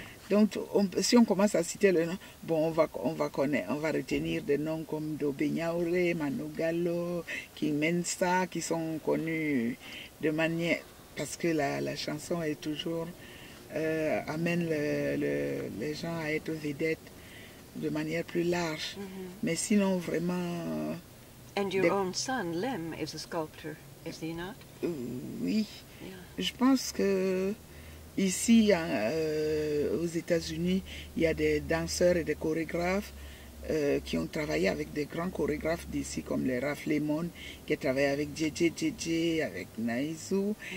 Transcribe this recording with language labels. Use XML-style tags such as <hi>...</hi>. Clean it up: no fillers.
<fr>Donc, si on commence à citer le nom, bon, on va retenir des noms comme Dobe Nyaoré, Manu Gallo, King Mensa, qui sont connus de manière, parce que la chanson est toujours amène les gens à être vedettes de manière plus large. Mais sinon, vraiment.</fr> <en>And your own son Lem is a sculptor, is he not?</en> <fr>Oui. Je pense que ici, aux États-Unis, il y a des danseurs et des chorégraphes qui ont travaillé avec des grands chorégraphes d'ici, comme les Ralph Lemon, qui a travaillé avec JJJJ, avec Naizu.</fr>